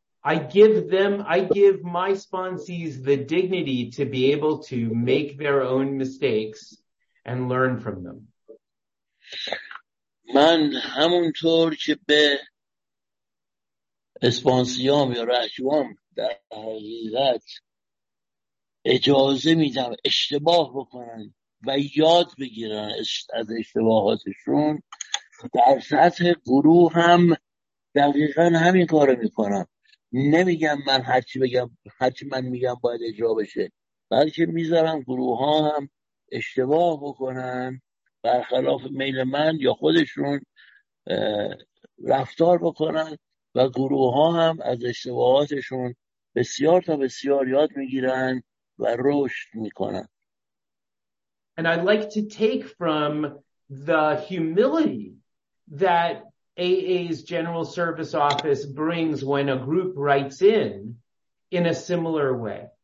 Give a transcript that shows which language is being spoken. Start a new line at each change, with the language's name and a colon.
English: I give my sponsees the dignity to be able to make their own mistakes and learn from them.
Persian: من همونطور که به اسپانسیام یا رهجوام در حقیقت اجازه میدم اشتباه بکنن و یاد بگیرن از اشتباهاتشون، در سطح گروه هم دقیقا همین کار میکنم. نمیگم من هرچی بگم، هرچی من میگم باید اجرا بشه، بلکه میذارم گروه ها هم اشتباه بکنن برخلاف میل من یا خودشون رفتار بکنن و گروه ها هم از اشتباهاتشون بسیار تا بسیار یاد میگیرن و رشد میکنن.
English: And I'd like to take from the humility that AA's General Service Office brings when a group writes in a similar way.